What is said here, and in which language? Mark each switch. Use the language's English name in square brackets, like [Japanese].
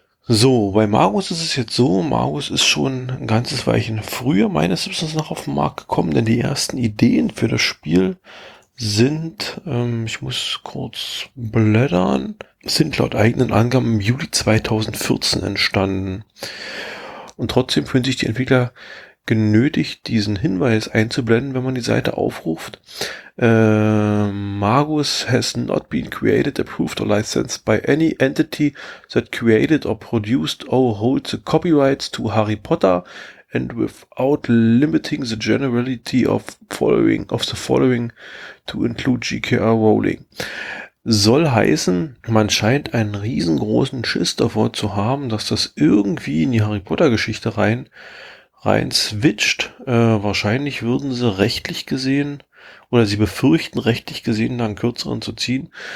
[German] So, bei Magus ist es jetzt so, Magus ist schon ein ganzes Weilchen früher meines Wissens nach auf den Markt gekommen, denn die ersten Ideen für das Spiel sind laut eigenen Angaben im Juli 2014 entstanden. Und trotzdem fühlen sich die Entwickler genötigt, diesen Hinweis einzublenden, wenn man die Seite aufruft. [English] Magus has not been created, approved or licensed by any entity that created or produced or holds the copyrights to Harry Potter and without limiting the generality of the following to include J.K.R. Rowling. [German] Soll heißen, man scheint einen riesengroßen Schiss davor zu haben, dass das irgendwie in die Harry Potter Geschichte rein switcht. Wahrscheinlich würden sie rechtlich gesehen, oder sie befürchten rechtlich gesehen, dann kürzeren zu ziehen.